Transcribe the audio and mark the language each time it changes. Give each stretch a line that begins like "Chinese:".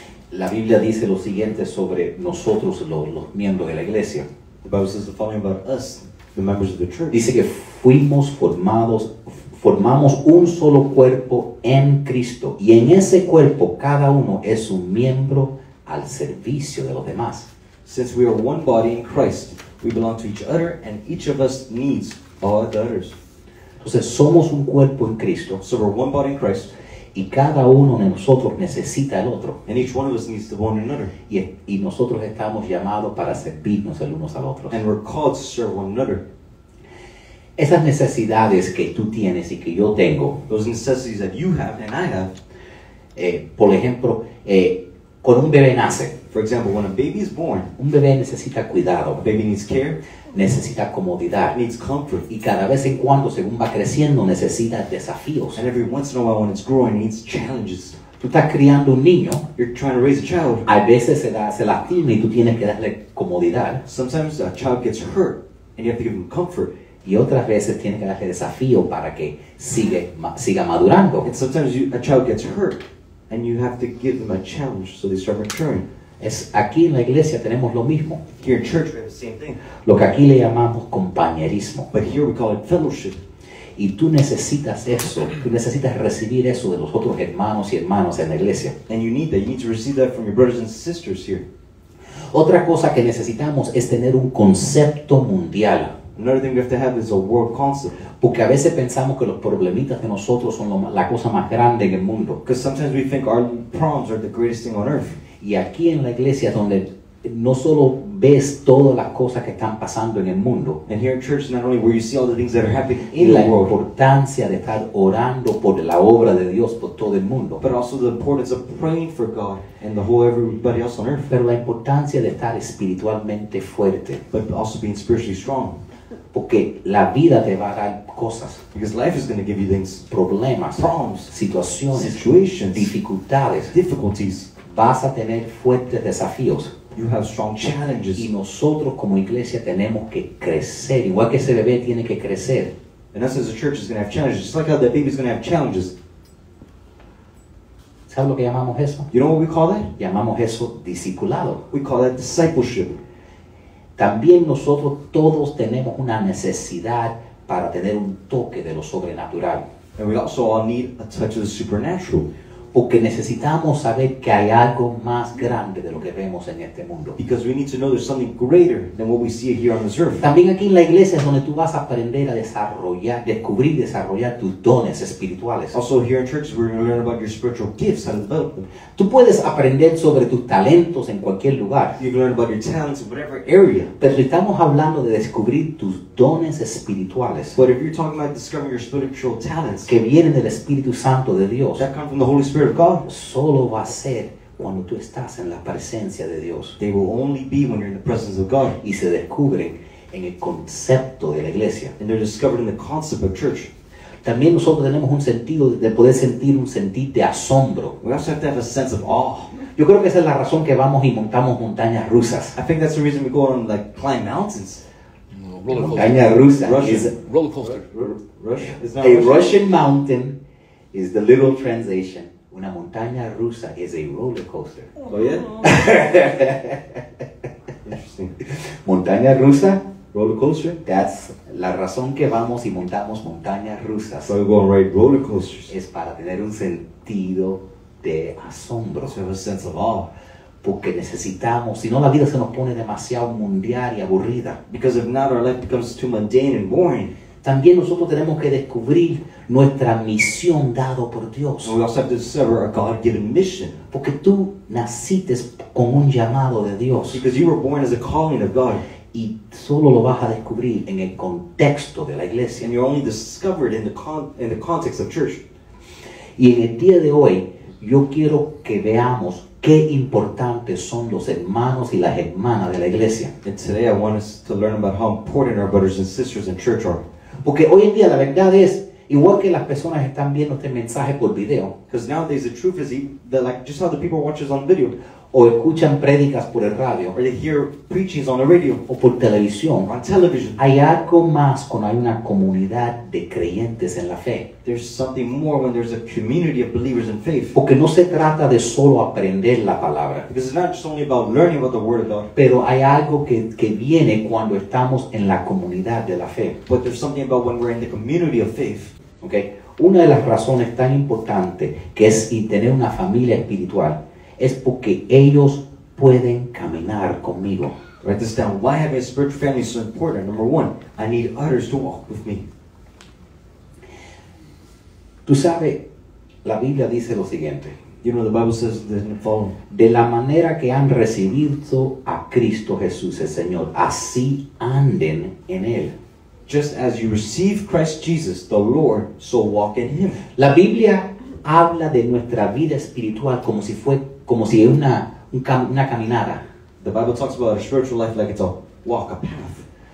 Spanish: La Biblia dice lo siguiente sobre nosotros, los miembros de la iglesia.
English: The Bible says the following about us, the members of the church.
Spanish: Dice que fuimos formados, formamos un solo cuerpo en Cristo. Y en ese cuerpo, cada uno es un miembro al servicio de los demás.
English: Since we are one body in Christ, we belong to each other, and each of us needs all the others.
Spanish: Entonces, somos un cuerpo en Cristo.
English: So we're one body in Christ.
Spanish: Y cada uno de nosotros necesita al otro.
English: And each one of us needs to one another.
Spanish: Y nosotros estamos llamados para servirnos el uno al otro.
English: And we're called to serve one another.
Spanish: Esas necesidades que tú tienes y que yo tengo.
English: Those necessities that you have and I have.
Spanish: Por ejemplo, cuando un bebé nace.
English: For example, when a baby is born.
Spanish: Un bebé necesita cuidado.
English: A baby needs care.
Spanish: Necesita comodidad.
English: Needs comfort.
Spanish: Y cada vez en cuando, según va creciendo, necesita desafíos.
English: And every once in a while, when it's growing, it needs challenges.
Spanish: Tú estás criando un niño.
English: You're trying to raise a child.
Spanish: A veces se lastima y tú tienes que darle comodidad.
English: Sometimes a child gets hurt, and you have to give him comfort.
Spanish: Y otras veces tienes que darle desafío para que siga madurando.
English: And sometimes a child gets hurt, and you have to give them a challenge so they start maturing.
Spanish: Es aquí en la iglesia tenemos lo mismo.
English: Here in church we have the same thing.
Spanish: Lo que aquí le llamamos compañerismo.
English: But here we call it fellowship.
Spanish: Y tú necesitas eso. Tú necesitas recibir eso de los otros hermanos y hermanas en la iglesia.
English: And you need that. You need to receive that from your brothers and sisters here.
Spanish: Otra cosa que necesitamos es tener un concepto mundial.
English: Another thing we have to have is a world concept.
Spanish: Porque a veces pensamos que los problemitas de nosotros son la cosa más grande en el mundo.
English: Because sometimes we think our problems are the greatest thing on earth.
Spanish: Y aquí en la iglesia donde no solo ves todas las cosas que están pasando en el mundo.
English: And here in church, not only where you see all the things that are happening in the world.
Spanish: La importancia de estar orando por la obra de Dios por todo el mundo.
English: But also the importance of praying for God and the whole everybody else on earth.
Spanish: Pero la importancia de estar espiritualmente fuerte.
English: But also being spiritually strong.
Spanish: Porque la vida te va a dar cosas.
English: Because life is going to give you things.
Spanish: Problemas.
English: Problems.
Spanish: Situaciones.
English: Situations.
Spanish: Dificultades.
English: Difficulties.
Spanish: Vas a tener fuertes desafíos.
English: You have strong challenges.
Spanish: Y nosotros como iglesia tenemos que crecer. Igual que ese bebé tiene que crecer.
English: And us as a church is going to have challenges. Just like how that baby is going to have challenges.
Spanish: ¿Sabes lo que llamamos eso?
English: You know what we call that?
Spanish: Llamamos eso discipulado.
English: We call that discipleship.
Spanish: También nosotros todos tenemos una necesidad para tener un toque de lo sobrenatural.
English: And we also all need a touch of the supernatural.
Spanish: Porque necesitamos saber que hay algo más grande de lo que vemos en este mundo.
English: Because we need to know there's something greater than what we see here on this earth.
Spanish: También aquí en la iglesia es donde tú vas a aprender a desarrollar, descubrir y desarrollar tus dones espirituales.
English: Also here in church we're going to learn about your spiritual gifts and develop them.
Spanish: Tú puedes aprender sobre tus talentos en cualquier lugar.
English: You can learn about your talents in whatever area.
Spanish: Pero si estamos hablando de descubrir tus dones espirituales.
English: But if you're talking about discovering your spiritual talents.
Spanish: Que vienen del Espíritu Santo de Dios.
English: That come from the Holy Spirit. Of God,
Spanish: solo va a ser cuando tú estás en la presencia de Dios.
English: They will only be when you're in the presence of God.
Spanish: Y se descubren en el concepto de la iglesia.
English: And they're discovered in the concept of church.
Spanish: También nosotros tenemos un sentido de poder sentir un sentir de asombro.
English: We also have to have a sense of awe.
Spanish: Yo creo que esa es la razón que vamos y montamos montañas rusas.
English: I think that's the reason we go on like climb mountains.
Spanish: Montaña rusa.
English: Roller coaster. Russian mountain is the literal translation.
Spanish: Una montaña rusa
English: is a roller coaster. Oh, yeah? Interesting.
Spanish: Montaña rusa,
English: roller coaster.
Spanish: That's la razón que vamos y montamos montañas rusas.
English: So we're going to ride roller coasters.
Spanish: Es para tener un sentido de asombro.
English: So we have a sense of awe.
Spanish: Porque necesitamos, si no la vida se nos pone demasiado mundial y aburrida.
English: Because if not, our life becomes too mundane and boring.
Spanish: También nosotros tenemos que descubrir nuestra misión dado por Dios.
English: We also have to discover a God-given mission.
Spanish: Porque tú naciste con un llamado de Dios.
English: Because you were born as a calling of God.
Spanish: Y solo lo vas a descubrir en el contexto de la iglesia.
English: And you're only discovered in the context of church.
Spanish: Y en el día de hoy, yo quiero que veamos qué importantes son los hermanos y las hermanas de la iglesia.
English: And today I want us to learn about how important our brothers and sisters in church are.
Spanish: Porque hoy en día la verdad es, igual que las personas están viendo este mensaje por video,
English: because nowadays the truth is that like just how the people watch us on video,
Spanish: o escuchan prédicas por el radio,
English: or they hear preachings on the radio,
Spanish: o por televisión,
English: on television,
Spanish: hay algo más cuando hay una comunidad de creyentes en la fe.
English: There's something more when there's a community of believers in faith.
Spanish: Porque no se trata de solo aprender la palabra,
English: because it's not just only about learning about the word of God,
Spanish: pero hay algo que viene cuando estamos en la comunidad de la fe.
English: But there's something about when we're in the community of faith. Okay.
Spanish: Una de las razones tan importantes que es tener una familia espiritual es porque ellos pueden caminar conmigo.
English: Write this down. Why having a spiritual family is so important? Number one, I need others to walk with me.
Spanish: Tú sabes, la Biblia dice lo siguiente.
English: You know, the Bible says this in the following.
Spanish: De la manera que han recibido a Cristo Jesús el Señor, así anden en Él.
English: Just as you receive Christ Jesus, the Lord, so walk in Him.
Spanish: La Biblia habla de nuestra vida espiritual como si fue como si es una caminada.
English: The Bible talks about a spiritual life like it's a walk, a path.